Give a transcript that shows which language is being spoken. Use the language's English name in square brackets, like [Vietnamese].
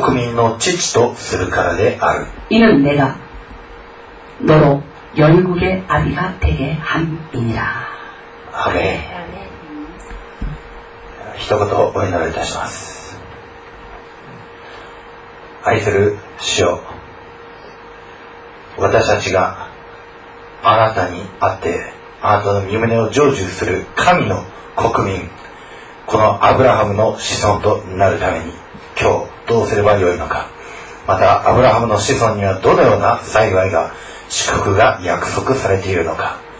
[Japanese] 私はあなたを多くの国民の父とするからである。 [Korean] 이는 내가 너로 열국의 아비가 되게 함이니라. 아멘. [Japanese] 一言お祈りいたします。愛する主よ、私たちがあなたに会ってあなたの御旨を成就する神の国民、このアブラハムの子孫となるために今日どうすればよいのか、またアブラハムの子孫にはどのような幸いが祝福が約束されているのか、